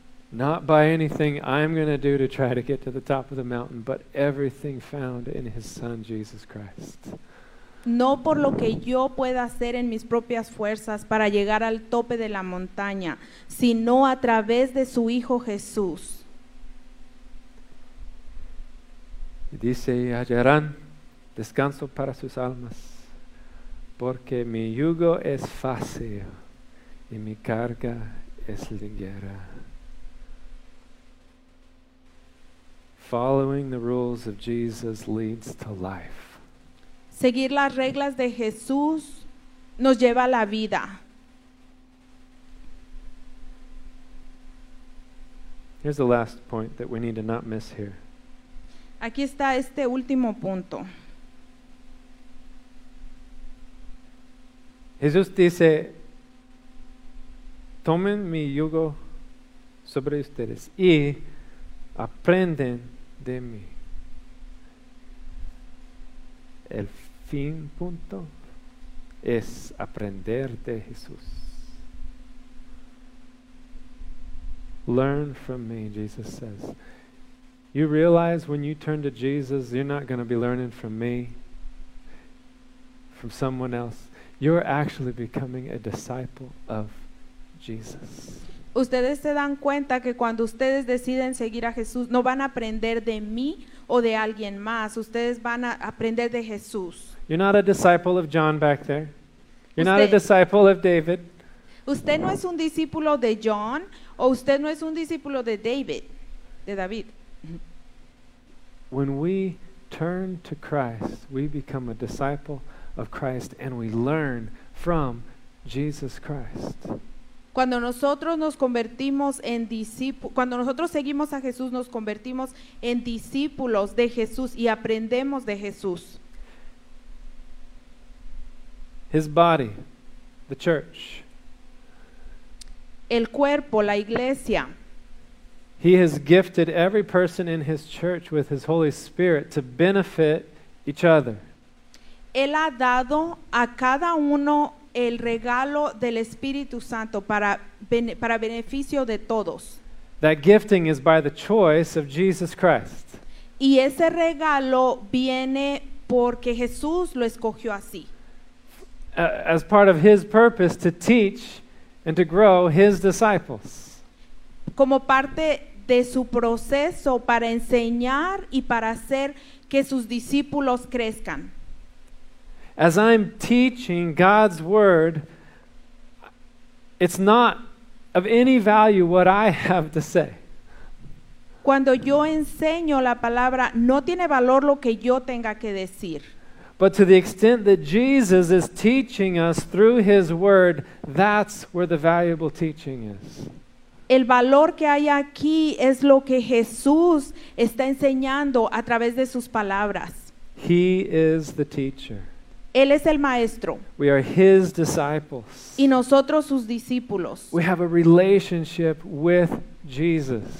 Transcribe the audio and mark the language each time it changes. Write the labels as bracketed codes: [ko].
[en] Not by anything I'm going to do to try to get to the top of the mountain, but everything found in His Son, Jesus Christ. [es] No por lo que yo pueda hacer en mis propias fuerzas para llegar al tope de la montaña, sino a través de su Hijo Jesús. Y dice, hallarán descanso para sus almas, porque mi yugo es fácil y mi carga es ligera. [en] Following the rules of Jesus leads to life. [es] Seguir las reglas de Jesús nos lleva a la vida. [en] Here's the last point that we need to not miss here. [es] Aquí está este último punto. Jesús dice, tomen mi yugo sobre ustedes y aprenden de mí. El fin punto es aprender de Jesús. [en] Learn from me, Jesus says. You realize when you turn to Jesus, you're not going to be learning from me, from someone else. You're actually becoming a disciple of Jesus. [es] Ustedes se dan cuenta que cuando ustedes deciden seguir a Jesús, no van a aprender de mí o de alguien más. Ustedes van a aprender de Jesús. [en] You're not a disciple of John back there. You're not a disciple of David. [es] Usted no es un discípulo de John o usted no es un discípulo de David, de David. [en] When we turn to Christ, we become a disciple of Christ and we learn from Jesus Christ. [es] Cuando nosotros nos convertimos en discípulos, cuando nosotros seguimos a Jesús, nos convertimos en discípulos de Jesús y aprendemos de Jesús. [en] His body, the church. [es] El cuerpo, la iglesia. [en] He has gifted every person in His church with His Holy Spirit to benefit each other. [es] Él ha dado a cada uno el regalo del Espíritu Santo para beneficio de todos. [en] That gifting is by the choice of Jesus Christ. [es] Y ese regalo viene porque Jesús lo escogió así. [en] As part of His purpose to teach and to grow His disciples. [es] Como parte de su proceso para enseñar y para hacer que sus discípulos crezcan. [en] As I'm teaching God's word, it's not of any value what I have to say. [es] Cuando yo enseño la palabra, no tiene valor lo que yo tenga que decir. [en] But to the extent that Jesus is teaching us through His word, that's where the valuable teaching is. [es] El valor que hay aquí es lo que Jesús está enseñando a través de sus palabras. [en] He is the teacher. [es] Él es el maestro. [en] We are His disciples. [es] Y nosotros sus discípulos. [en] We have a relationship with Jesus.